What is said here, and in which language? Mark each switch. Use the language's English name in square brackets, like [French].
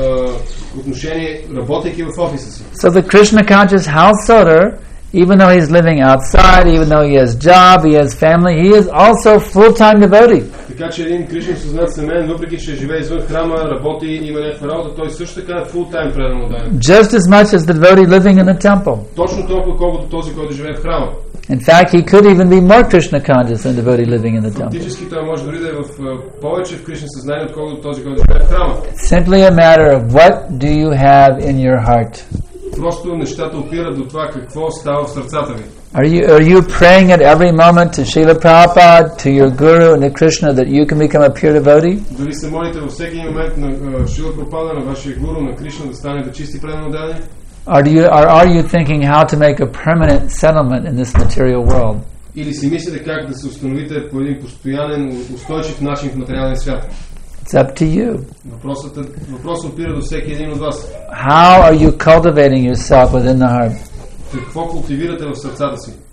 [English] So the Krishna conscious householder, even though he's living outside, even though he has job, he has family, he is also full-time devotee. [Bulgarian] Така че един Кришна съзнат семейен, въпреки че живее извън храма, работи и има някаква работа, той също така е фултайм предано да. [English] Just as much as the devotee living in the temple. [Bulgarian] Точно толкова, колкото този, който живее в храма. [English] In fact, he could even be more Krishna conscious than the devotee living in the temple. [Bulgarian] Фактически той може дори да е в повече в Кришна съзнание, отколкото този, който живее в храма. [English] Simply a matter of what do you have in your heart. [Bulgarian] Просто нещата опират до това какво става в сърцата ви. [English] Are you praying at every moment to Srila Prabhupada, to your guru and to Krishna that you can become a pure devotee? [Bulgarian] Дори се молите във всеки момент на Srila Prabhupada, на вашия гуру, на Кришна да станете чисти преданодани? [English] Are you thinking how to make a permanent settlement in this material world? [Bulgarian] Или си мислите как да се установите по един постоянен, устойчив начин в материален свят? [English] It's up to you. [Bulgarian] Въпросът опира до всеки един от вас. [English] How are you cultivating yourself within the heart? [Bulgarian] Какво култивирате в сърцата си?